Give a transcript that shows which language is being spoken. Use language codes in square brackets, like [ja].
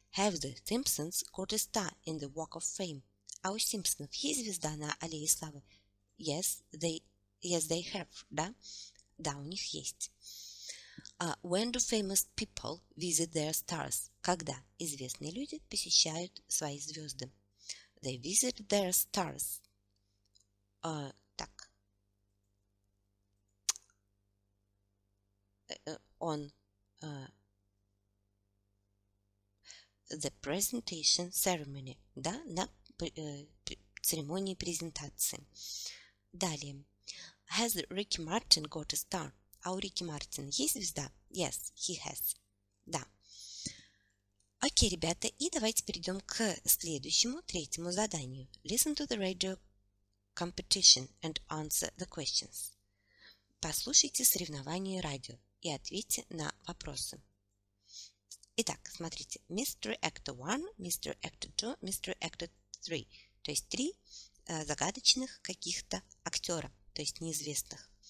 [en] Have the Simpsons got a star in the Walk of Fame? [ru] А у Симпсонов есть звезда на Аллее Славы? [en] Yes, they have, [ru] да? Да, у них есть. [en] When do famous people visit their stars? [ru] Когда известные люди посещают свои звезды? [en] They visit their stars. [ru] Так. [en] The presentation ceremony, [ru] да, на церемонии презентации. Далее. [en] Has Ricky Martin got a star? [ru] А у Ricky Martin есть звезда? [en] Yes, he has. [ru] Да. Окей, ребята, и давайте перейдем к следующему, третьему заданию. [en] Listen to the radio competition and answer the questions. [ru] Послушайте соревнования радио и ответьте на вопросы. Итак, смотрите, Mystery Actor 1, Mystery Actor 2, Mystery Actor 3. То есть три загадочных каких-то актера, то есть неизвестных.